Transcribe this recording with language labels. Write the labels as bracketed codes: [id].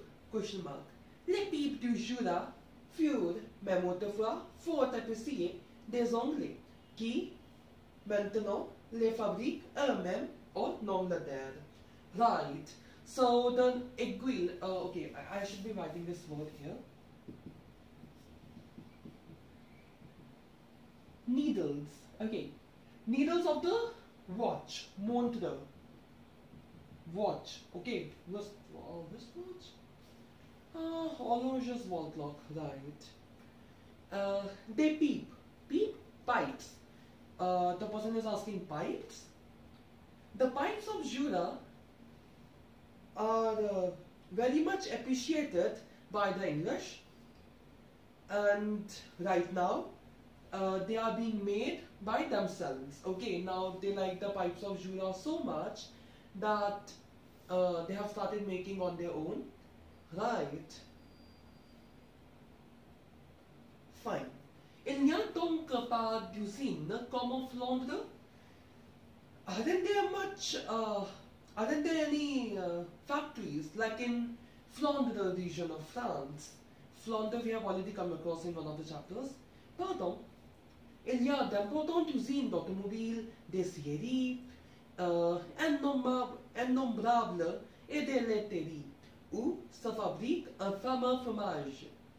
[en] Question mark. [fr] Les pipes du Jura furent, même autrefois, fort appréciées des Anglais qui, maintenant, les fabriquent eux-mêmes au nom de terre. [en] Right, so the aiguille, okay, I should be writing this word here. Needles, okay. Needles of the watch, montre. Watch, okay. This watch? Horloge's wall clock, right. They peep. Peep? Pipes. The person is asking pipes? The pipes of Jura are very much appreciated by the English, and right now they are being made by themselves. Okay, now they like the pipes of Jura so much that they have started making on their own. Right. Fine. [fr] Il n'y a donc pas d'usine comme en Flandre? [en] Aren't there any factories like in Flandre region of France? Flandre we have already come across in one of the chapters. Pardon. [fr] Il y a d'importantes usines d'automobiles, d'acieries, innombrables et de laiteries où se fabrique un fameux fromage.